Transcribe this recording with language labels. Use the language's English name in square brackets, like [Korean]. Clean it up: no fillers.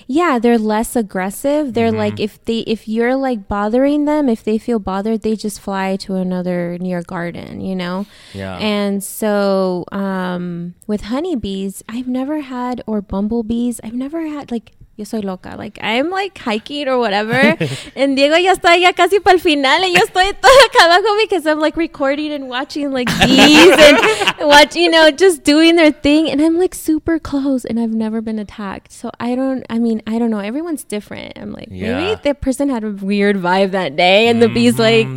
[English] Yeah, they're less aggressive. They're mm-hmm. like, if you're like bothering them, if they feel bothered, they just fly to another near garden, you know? Yeah. And so with honeybees, I've never had, or bumblebees, I've never had, like, [Spanish] yo soy loca. [English] Like, I'm like hiking or whatever. [Spanish] And Diego ya está ya casi para el final. [English] And [Spanish] yo estoy todo acá abajo [English] because I'm like recording and watching like bees and watch, you know, just doing their thing. And I'm like super close and I've never been attacked. So I don't know. Everyone's different. I'm like, yeah. maybe the person had a weird vibe that day. And mm-hmm. the bee's like,